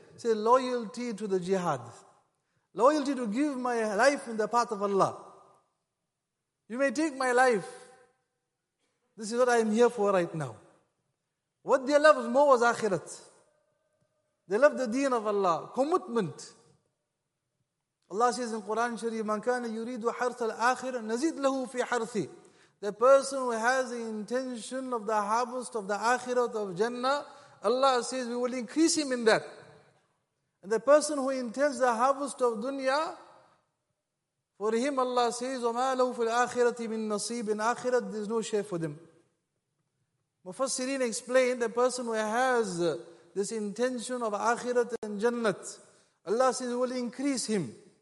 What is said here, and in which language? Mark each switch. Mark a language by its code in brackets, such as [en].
[en] He said, loyalty to the jihad. Loyalty to give my life in the path of Allah. You may take my life. This is what I am here for right now. What they loved more was akhirat. They loved the deen of Allah. Commitment. Allah says in Quran Sharif, [ar] مَنْ كَانَ يُرِيدُ حَرْثَ الْآخِرَ نَزِيدْ لَهُ فِي حَرْثِ. [en] The person who has the intention of the harvest of the akhirat of Jannah, Allah says, we will increase him in that. And the person who intends the harvest of dunya, for him Allah says, [ar] وَمَا لَهُ فِي الْآخِرَةِ مِنْ نَصِيبٍ. [en] In akhirat, there is no share for them. Mufassirin explained, the person who has this intention of akhirat and jannat, Allah says, we will increase him.